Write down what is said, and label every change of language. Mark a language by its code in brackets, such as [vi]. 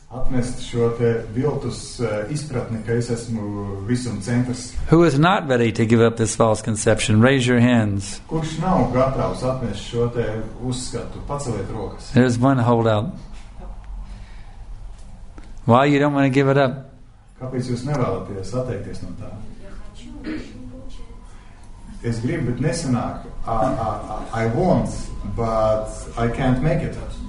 [lv] Atmest šo te viltus izpratni, ka es esmu visum centrs. [en] Who is not ready to give up this false conception? Raise your hands. [lv] Kurš nav gatavs atmest šo te uzskatu? Paceliet rokas. [en] There's one holdout. Why you don't want to give it up? [lv] Kāpēc jūs nevēlaties atteikties no tā? Es gribu, bet nesanāk. [en] I want, but I can't make it up.